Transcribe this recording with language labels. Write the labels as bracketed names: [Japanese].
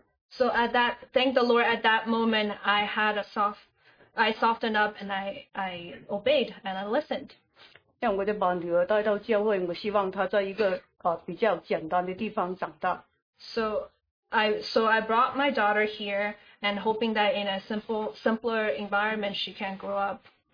[English] So at that, thank the Lord, at that moment, I softened up and I obeyed and I listened. [Chinese] 让我的女儿带到教会，我希望她在一个比较简单的地方长大。 [English] So I brought my daughter here and hoping that in a simpler environment she can grow up.